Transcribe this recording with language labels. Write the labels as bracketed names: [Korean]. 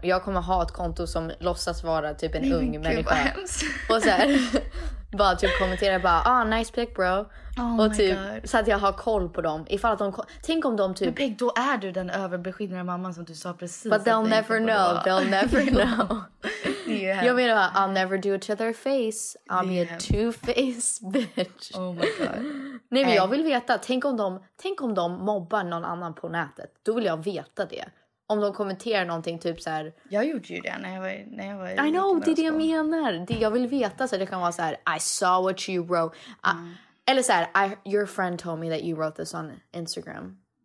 [Swedish] Jag kommer ha ett konto som låtsas vara typ en ung människa. Gud, vad hemskt. Och såhär, bara typ kommentera, bara, ah, [English] nice pic bro. Oh [Swedish] och typ, God. Så att jag har koll på dem. Ifall att de, tänk om de typ... Men Peg, då är du den överbeskyddande mamman som du sa precis. [English] But they'll never know, they'll never know. [Swedish] Jag menar bara, [English] I'll never do it to their face. I'm a two-faced bitch. Oh my God. [Swedish] Nej, men jag vill veta, tänk om de mobbar någon annan på nätet. Då vill jag veta det. Om de kommenterar någonting typ så här. Jag gjorde ju det när jag var [English] I know, [Swedish] det är det jag menar. Det jag vill veta, så det kan vara så här, [English] I saw what you wrote. [Swedish] Eller så här, [English] your friend told me that you wrote this on Instagram.